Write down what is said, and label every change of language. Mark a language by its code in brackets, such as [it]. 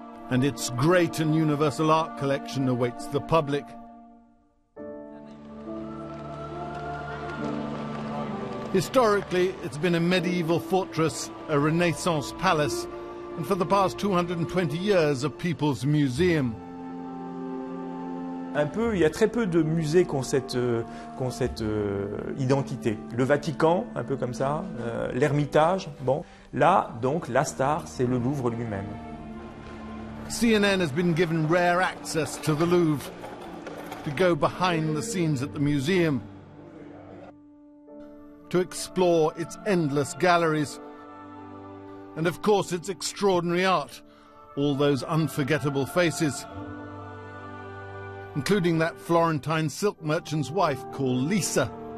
[en] And its great and universal art collection awaits the public. Historically, it's been a medieval fortress, a Renaissance palace, and for the past 220 years, a people's museum. [fr] Un peu, il y a très peu de musées qui ont cette identité. Le Vatican, un peu comme ça, l'Ermitage, bon. Là, donc, la star, c'est le Louvre lui-même. [en] CNN has been given rare access to the Louvre to go behind the scenes at the museum, to explore its endless galleries, and of course its extraordinary art, all those unforgettable faces, including that Florentine silk merchant's wife called Lisa.